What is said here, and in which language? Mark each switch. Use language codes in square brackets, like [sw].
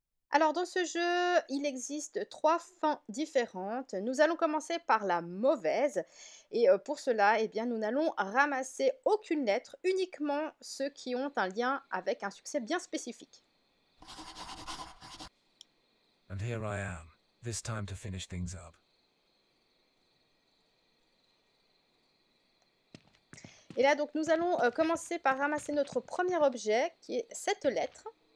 [fr] Alors dans ce jeu, il existe trois fins différentes. Nous allons commencer par la mauvaise. Et pour cela, eh bien, nous n'allons ramasser aucune lettre, uniquement ceux qui ont un lien avec un succès bien spécifique. [en] And here I am, this time to finish things up. [fr] Et là, donc nous allons commencer par ramasser notre premier objet, qui est cette lettre.